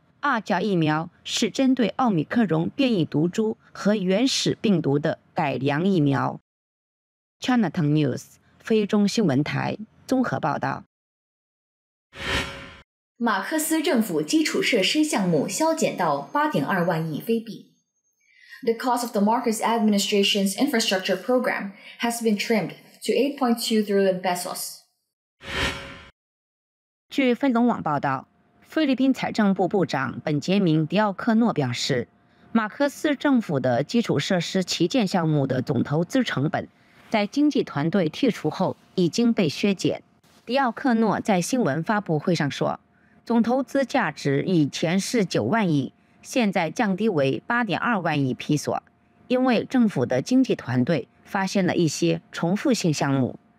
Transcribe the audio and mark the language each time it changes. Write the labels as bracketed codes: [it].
[zh] 二价疫苗是针对奥密克戎变异毒株和原始病毒的改良疫苗。 Cntv News 菲中新闻台综合报道。马克思政府基础设施项目削减到8.2万亿菲币。 [en] The cost of the Marcus administration's infrastructure program has been trimmed to 8.2 trillion pesos. [zh] 据菲龙网报道，菲律宾财政部部长本杰明·迪奥克诺表示，马克思政府的基础设施旗舰项目的总投资成本在经济团队剔除后已经被削减。迪奥克诺在新闻发布会上说，总投资价值以前是9万亿，现在降低为8.2万亿披索，因为政府的经济团队发现了一些重复性项目。